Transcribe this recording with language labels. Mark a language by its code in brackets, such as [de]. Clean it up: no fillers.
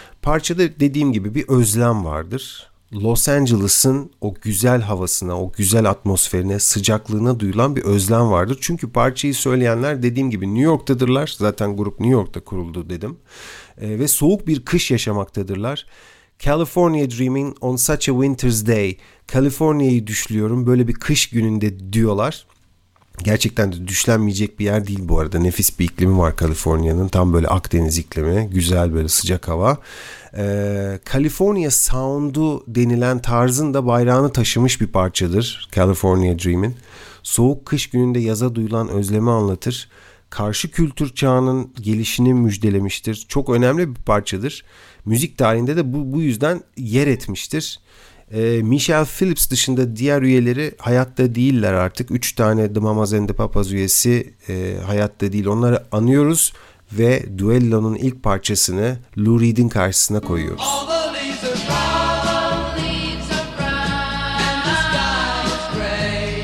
[tr] Parçada dediğim gibi bir özlem vardır. Los Angeles'ın o güzel havasına, o güzel atmosferine, sıcaklığına duyulan bir özlem vardır. Çünkü parçayı söyleyenler dediğim gibi New York'tadırlar. Zaten grup New York'ta kuruldu dedim. Ve soğuk bir kış yaşamaktadırlar. [en] California Dreaming on such a winter's day. [tr] California'yı düşlüyorum böyle bir kış gününde diyorlar. Gerçekten de düşlenmeyecek bir yer değil bu arada. Nefis bir iklimi var Kaliforniya'nın. Tam böyle Akdeniz iklimi. Güzel böyle sıcak hava. California Sound'u denilen tarzın da bayrağını taşımış bir parçadır. California Dream'in. Soğuk kış gününde yaza duyulan özlemi anlatır. Karşı kültür çağının gelişini müjdelemiştir. Çok önemli bir parçadır. Müzik tarihinde de bu yüzden yer etmiştir. Michelle Phillips dışında diğer üyeleri hayatta değiller artık. 3 tane The Mamas and the Papas üyesi hayatta değil. Onları anıyoruz ve Duello'nun ilk parçasını Lou Reed'in karşısına koyuyoruz. [en] All the leaves are brown, and the sky is gray.